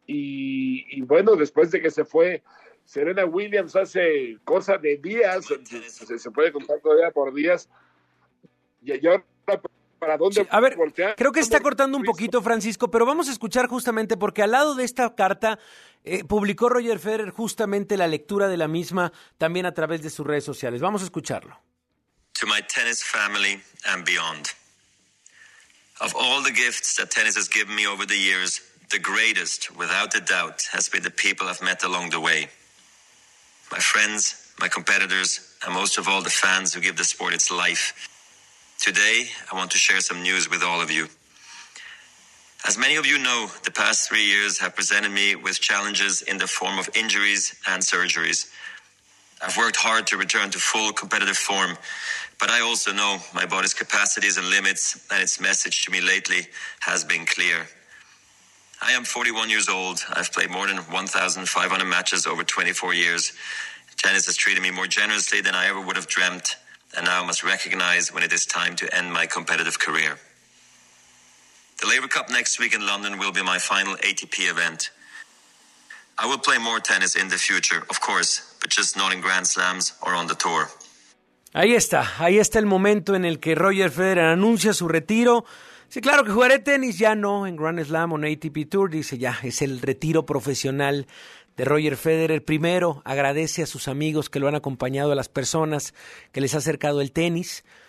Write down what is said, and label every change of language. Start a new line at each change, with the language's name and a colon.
Spanish: Y bueno, después de que se fue Serena Williams hace cosa de días, se puede contar todavía por días, y yo... ¿Para dónde? A ver, creo que está cortando un poquito, Francisco, pero vamos a escuchar justamente, porque al lado de esta carta publicó Roger Federer justamente la lectura de la misma también a través de sus redes sociales. Vamos a escucharlo.
English: To my tennis family and beyond. Of all the gifts that tennis has given me over the years, the greatest, without a doubt, has been the people I've met along the way. My friends, my competitors, and most of all the fans who give the sport its life. Today, I want to share some news with all of you. As many of you know, the past 3 years have presented me with challenges in the form of injuries and surgeries. I've worked hard to return to full competitive form, but I also know my body's capacities and limits, and its message to me lately has been clear. I am 41 years old. I've played more than 1,500 matches over 24 years. Tennis has treated me more generously than I ever would have dreamt. And now I must recognize when it is time to end my competitive career. The Laver Cup next week in London will be my final ATP event. I will play more tennis in the future, of course, but just not in Grand Slams or on the tour.
Spanish: Ahí está el momento en el que Roger Federer anuncia su retiro. Sí, claro que jugaré tenis, ya no en Grand Slam o en ATP Tour, dice ya, es el retiro profesional de Roger Federer. Primero, agradece a sus amigos que lo han acompañado, a las personas que les ha acercado el tenis.